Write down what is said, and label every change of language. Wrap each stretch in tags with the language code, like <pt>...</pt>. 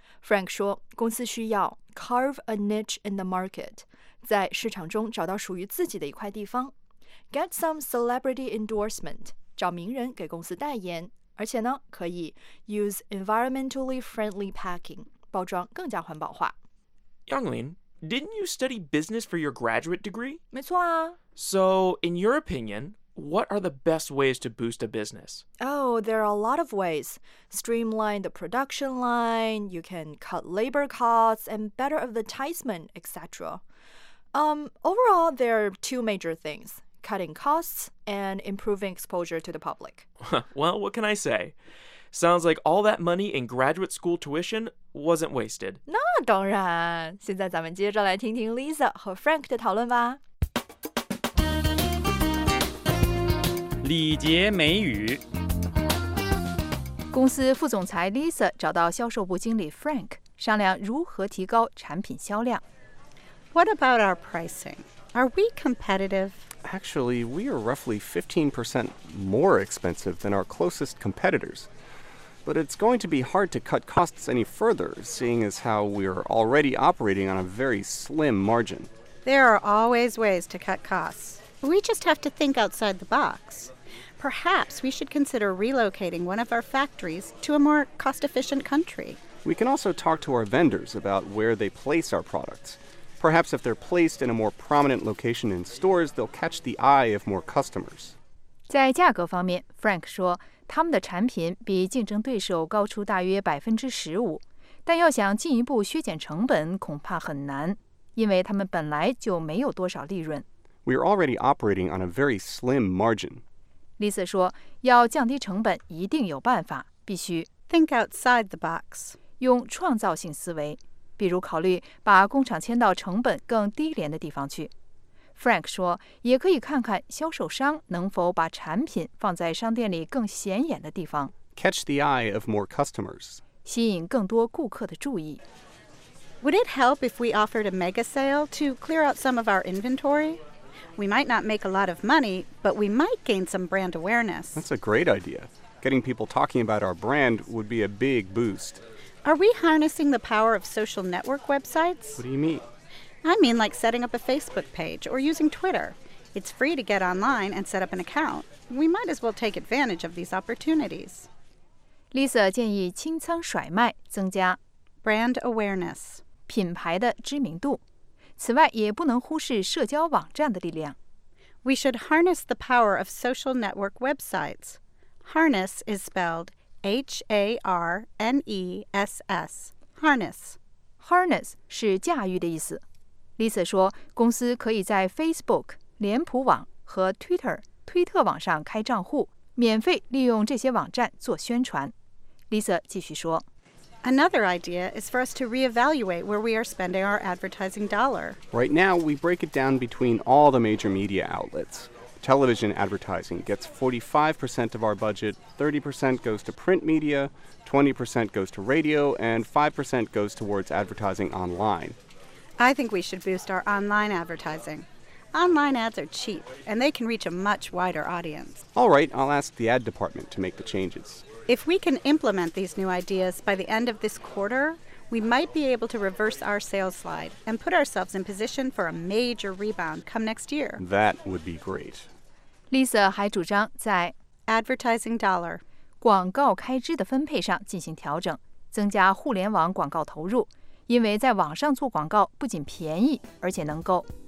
<zh>Frank 说，公司需要</zh> <en>carve a niche in the market，</en> <zh>在市场中找到属于自己的一块地方 ，</zh> <en>get some celebrity endorsement，</en> <zh>找名人给公司代言。而且呢，可以</zh> <en>use environmentally friendly packing,</en> <zh>包装更加环保化。</zh> <en>Younglin, didn't you study business for your graduate degree?</en> <zh>没错啊。</zh> <en>So, in your opinion, what are the best ways to boost a business? Oh, there are a lot of ways. Streamline the production line, you can cut labor costs, and better advertisement, etc. Overall, there are two major things. Cutting costs and improving exposure to the public. Well, what can I say? Sounds like all that money in graduate school tuition wasn't wasted.</en> <zh>那当然。现在咱们接着来听听 Lisa 和 Frank 的讨论吧。礼节美语。公司副总裁 Lisa 找到销售部经理 Frank， 商量如何提高产品销量。</zh> <en>What about our pricing? Are we competitive? Actually, we are roughly 15% more expensive than our closest competitors. But it's going to be hard to cut costs any further, seeing as how we are already operating on a very slim margin. There are always ways to cut costs. We just have to think outside the box. Perhaps we should consider relocating one of our factories to a more cost-efficient country. We can also talk to our vendors about where they place our products. Perhaps if they're placed in a more prominent location in stores, they'll catch the eye of more customers.</en> <zh>在价格方面 ，Frank 说他们的产品比竞争对手高出大约15%，但要想进一步削减成本恐怕很难，因为他们本来就没有多少利润。</zh> <en>We are already operating on a very slim margin.</en> <zh>Lisa 说要降低成本一定有办法，必须</zh> <en>think outside the box，</en> <zh>用创造性思维。比如考虑把工厂迁到成本更低廉的地方去。 Frank 说，也可以看看销售商能否把产品放在商店里更显眼的地方。</zh> <en>Catch the eye of more customers.</en> <zh>吸引更多顾客的注意。</zh> <en>Would it help if we offered a mega sale to clear out some of our inventory? We might not make a lot of money, but we might gain some brand awareness. That's a great idea. Getting people talking about our brand would be a big boost. Are we harnessing the power of social network websites? What do you mean? I mean like setting up a Facebook page or using Twitter. It's free to get online and set up an account. We might as well take advantage of these opportunities.</en> <zh>Lisa 建议清仓甩卖，增加</zh> <en>brand awareness</en> <zh>品牌的知名度。此外，也不能忽视社交网站的力量。</zh> <en>We should harness the power of social network websites. Harness is spelled H-A-R-N-E-S-S. Harness.</en> <zh>Harness 是驾驭的意思。Lisa 说，公司可以在 Facebook、脸谱网和 Twitter、推特网上开账户，免费利用这些网站做宣传。 Lisa 继续说。</zh> <en>Another idea is for us to reevaluate where we are spending our advertising dollar. Right now, we break it down between all the major media outlets. Television advertising gets 45% of our budget, 30% goes to print media, 20% goes to radio, and 5% goes towards advertising online. I think we should boost our online advertising. Online ads are cheap, and they can reach a much wider audience. All right, I'll ask the ad department to make the changes. If we can implement these new ideas by the end of this quarter, we might be able to reverse our sales slide and put ourselves in position for a major rebound come next year. That would be great.</en> <zh>Lisa 还主张在</zh> <en>advertising dollar</en> <zh>广告开支的分配上进行调整，增加互联网广告投入，因为在网上做广告不仅便宜，而且能够</zh>